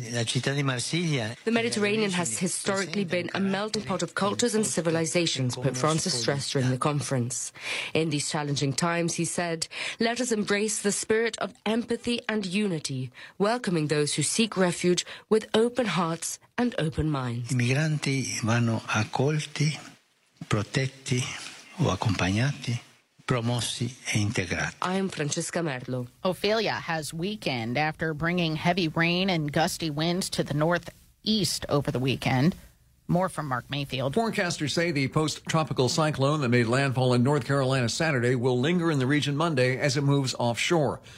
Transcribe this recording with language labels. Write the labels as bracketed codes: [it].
[en] The Mediterranean has historically been a melting pot of cultures and civilizations, Pope Francis stressed during the conference. In these challenging times, he said, "Let us embrace the spirit of empathy and unity, welcoming those who seek refuge with open hearts and open minds." [it] Migranti vanno accolti, protetti o accompagnati, promossi e integrati. [en] I'm Francesca Merlo. Ophelia has weakened after bringing heavy rain and gusty winds to the northeast over the weekend. More from Mark Mayfield. Forecasters say the post-tropical cyclone that made landfall in North Carolina Saturday will linger in the region Monday as it moves offshore.